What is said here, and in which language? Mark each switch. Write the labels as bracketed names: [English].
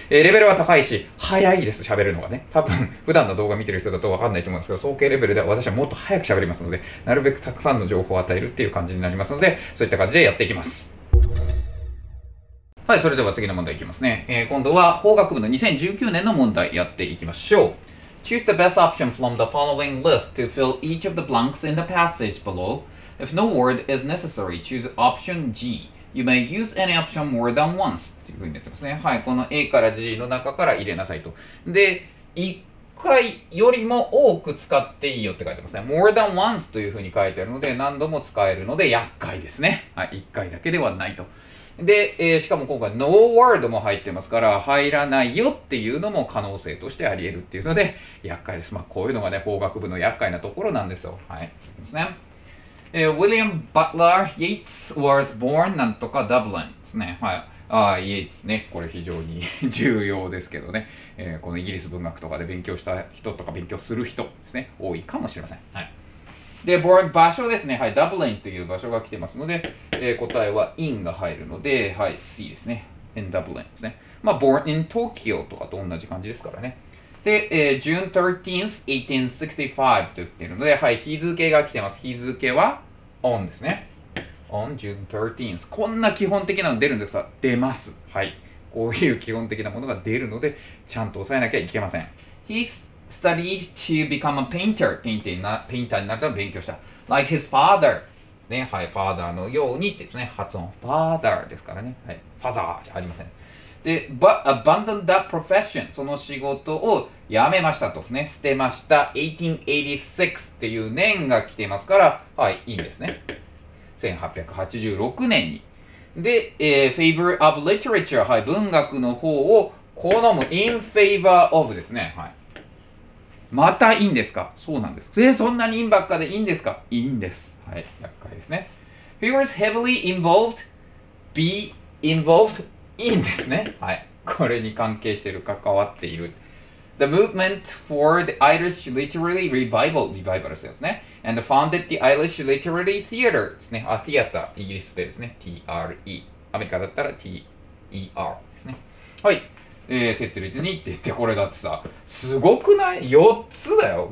[Japanese] レベルは高いし早いです、喋るのがね。多分普段の動画見てる人だと分かんないと思うんですけど、総計レベルでは私はもっと早く喋りますので、なるべくたくさんの情報を与えるっていう感じになりますので、そういった感じでやっていきます。はい、それでは次の問題いきますね。今度は法学部の2019年の問題やっていきましょう。 [English] Choose the best option from the following list to fill each of the blanks in the passage below. If no word is necessary, choose option G. You may use any option more than once. [Japanese] というふうに言ってますね。はい、この A から G の中から入れなさいと。で、1回よりも多く使っていいよって書いてますね。 [English] More than once [Japanese] というふうに書いてあるので、何度も使えるので厄介ですね。はい、1回だけではないと。で、しかも今回 no word も入ってますから入らないよっていうのも可能性としてあり得るっていうので厄介です。まあこういうのがね、法学部の厄介なところなんですよ。はい、いきますね。 [English] William Butler Yeats was born [Japanese] なんとか [English] Dublin [Japanese] ですね。はい、ああ、イエイツね。これ非常に重要ですけどね。このイギリス文学とかで勉強した人とか勉強する人ですね、多いかもしれません。はい、で、場所ですね。はい。ダブリンという場所が来てますので、答えはインが入るので、はい。C ですね。 [English] in Dublin [Japanese] ですね。まあ、 [English] born in Tokyo [Japanese] とかと同じ感じですからね。で、 [English] June 13th, 1865 [Japanese] と言っているので、はい、日付が来てます。日付は on ですね。 [English] on June 13th。 [Japanese] こんな基本的なの出るんですか？出ます。はい。こういう基本的なものが出るので、ちゃんと押さえなきゃいけません。 [English] He studied to become a painter. [Japanese] Painter になるために勉強した。 [English] Like his father. [Japanese] ね、はい、ファーザーのようにって言うとね、発音ファーザーですからね、はい、ファザーじゃありません。で、 [English] But abandoned that profession、 [Japanese] その仕事を辞めましたとね、捨てました。 1886っていう年が来てますから、はい、いいんですね。 1886年に。で、 [English] favor of literature、 [Japanese] はい、文学の方を好む。 [English] in favor of [Japanese] ですね、はい。またいいんですか？そうなんです。そんなにいいんばっかでいいんですか？いいんです。はい、厄介ですね。 [English] He was heavily involved, be involved in [Japanese] ですね。はい、これに関係している、関わっている。 [English] The movement for the Irish Literary Revival, revival [Japanese] ですね。 [English] And founded the Irish Literary Theatre [Japanese] ですね。あ、theater、イギリスでですね。 [English] T-R-E。 [Japanese] アメリカだったら T-E-R ですね。はい。設立にって言って、これだってさ、すごくない ?4 つだよ。